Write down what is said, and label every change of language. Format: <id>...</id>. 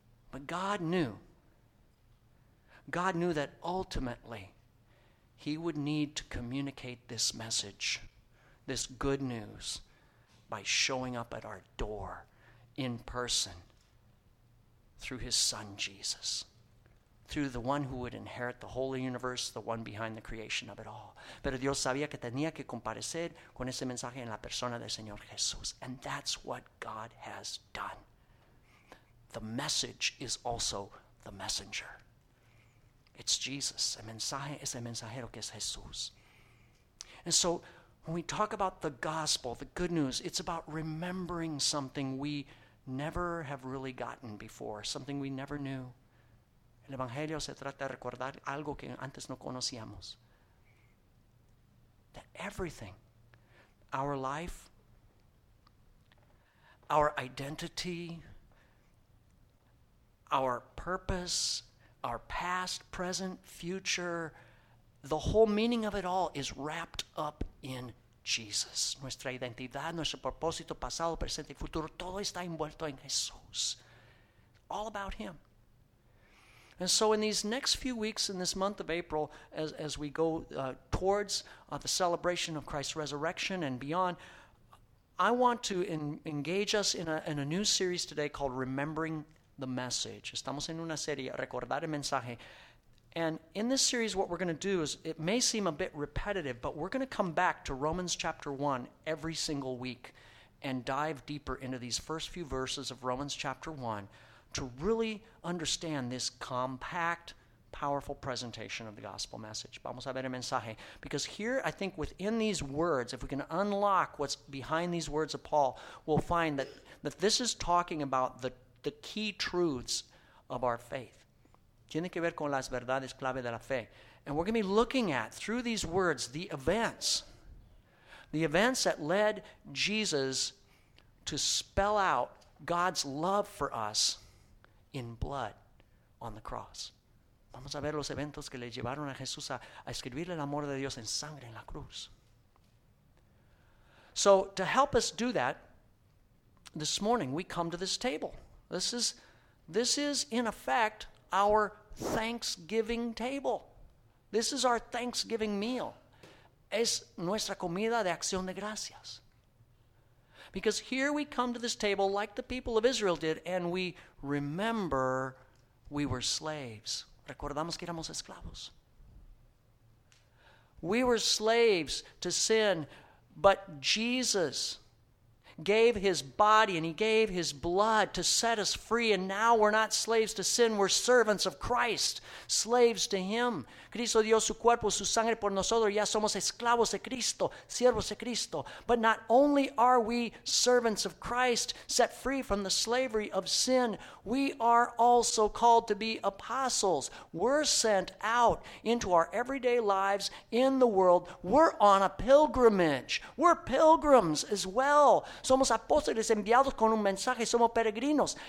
<en>But God knew that ultimately he would need to communicate this message this good news by showing up at our door in person through his son Jesus, through the one who would inherit the whole universe, the one behind the creation of it all.</en> <es>Pero Dios sabía que tenía que comparecer con ese mensaje en la persona del Señor Jesús.</es> <en>And that's what God has done. The message is also the messenger. It's Jesus.</en> <es>El mensaje es el mensajero, que es Jesús.</es> <en>And so when we talk about the gospel, the good news, it's about remembering something we never have really gotten before, something we never knew.</en> <es>El evangelio se trata de recordar algo que antes no conocíamos.</es> <en>That everything, our life, our identity, our purpose, our past, present, future, the whole meaning of it all is wrapped up in Jesus.</en> <es>Nuestra identidad, nuestro propósito, pasado, presente y futuro, todo está envuelto en Jesús.</es> <en>All about him. And so in these next few weeks in this month of April, as we go towards the celebration of Christ's resurrection and beyond, I want to engage us in a new series today called Remembering the Message.</en> <es>Estamos en una serie, Recordar el Mensaje.</es> <en>And in this series, what we're going to do is, it may seem a bit repetitive, but we're going to come back to Romans chapter 1 every single week and dive deeper into these first few verses of Romans chapter 1 to really understand this compact, powerful presentation of the gospel message.</en> <es>Vamos a ver el mensaje.</es> <en>Because here, I think within these words, if we can unlock what's behind these words of Paul, we'll find that this is talking about the key truths of our faith.</en> <es>Tiene que ver con las verdades clave de la fe.</es> <en>And we're going to be looking at, through these words, the events that led Jesus to spell out God's love for us in blood on the cross.</en> <es>Vamos a ver los eventos que le llevaron a Jesús a escribirle el amor de Dios en sangre en la cruz.</es> <en>So to help us do that, this morning we come to this table. This is in effect our Thanksgiving table. This is our Thanksgiving meal.</en> <es>Es nuestra comida de acción de gracias.</es> <en>Because here we come to this table like the people of Israel did, and we remember we were slaves.</en> <es>Recordamos que éramos esclavos.</es> <en>We were slaves to sin, but Jesus gave his body and he gave his blood to set us free, and now we're not slaves to sin, we're servants of Christ, slaves to him.</en> <es>Cristo dio su cuerpo, su sangre por nosotros, ya somos esclavos de Cristo, siervos de Cristo.</es> <en>But not only are we servants of Christ, set free from the slavery of sin, we are also called to be apostles. We're sent out into our everyday lives in the world. We're on a pilgrimage. We're pilgrims as well.</en> <es>Somos apóstoles enviados con un mensaje, somos peregrinos.</es>